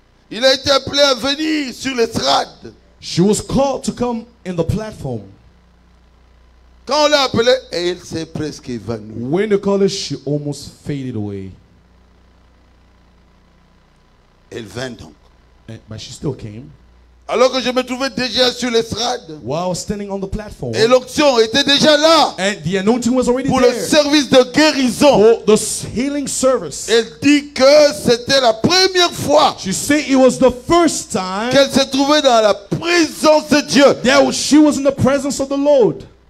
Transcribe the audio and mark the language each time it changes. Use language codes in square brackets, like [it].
[fr] Il a été appelé à venir sur l'estrade. [en] She was called to come in the platform. [fr] Quand on l'a appelé, elle s'est presque évanouie. [en] When they called her, she almost faded away. [fr] Elle vint donc. [en] But she still came. [fr] Alors que je me trouvais déjà sur l'estrade. [en] While I was standing on the platform. [fr] Et l'onction était déjà là. [en] And the anointing was already [fr] pour [en] there. [fr] Pour le service de guérison. [en] For the healing service. [fr] Elle dit que c'était la première fois. [en] She said it was the first time. [fr] Qu'elle s'est trouvée dans la présence de Dieu. [en] That she was in the presence of the Lord.